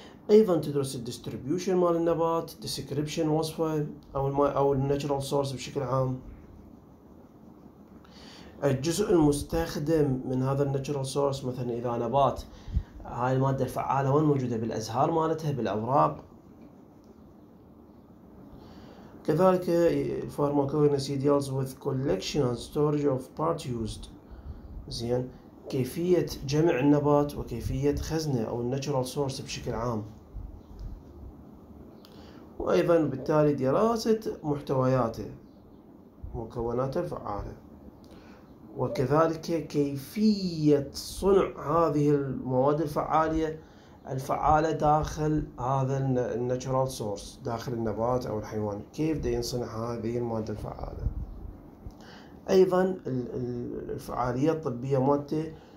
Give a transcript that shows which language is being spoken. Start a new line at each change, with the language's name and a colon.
Arabic: أيضا تدرس الديستريبيوشن مال النبات، ديسكريبشن وصفه أو الناتشورال سورس بشكل عام. الجزء المستخدم من هذا الناتشورال سورس، مثلا إذا نبات هاي المادة الفعالة وين موجودة؟ بالأزهار مالتها، بالأوراق. كذلك
English: الفارماكوجنسي deals with collection and storage of part used.
Arabic: زين، كيفية جمع النبات وكيفية خزنه أو الناتشورال سورس بشكل عام، وأيضا بالتالي دراسة محتوياته، مكوناته الفعالة، وكذلك كيفية صنع هذه المواد الفعالة داخل هذا الناتشورال سورس، داخل النبات أو الحيوان، كيف دي ينصنع هذه المادة الفعالة. ايضا الفعاليه الطبيه مالته